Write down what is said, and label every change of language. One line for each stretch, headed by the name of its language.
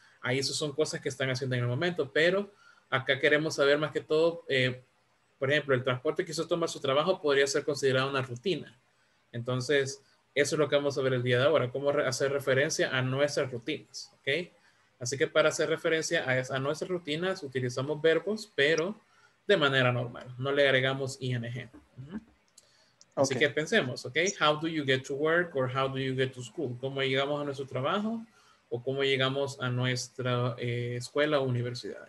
Spanish: Ahí esas son cosas que están haciendo en el momento, pero acá queremos saber más que todo, por ejemplo, el transporte que usted toma su trabajo podría ser considerado una rutina. Entonces, eso es lo que vamos a ver el día de ahora, cómo hacer referencia a nuestras rutinas, ¿ok? Así que para hacer referencia a nuestras rutinas, utilizamos verbos, pero de manera normal. No le agregamos ING. Así que pensemos, ¿ok?
English: How do you get to work or how do you get to school?
Spanish: ¿Cómo llegamos a nuestro trabajo o cómo llegamos a nuestra escuela o universidad?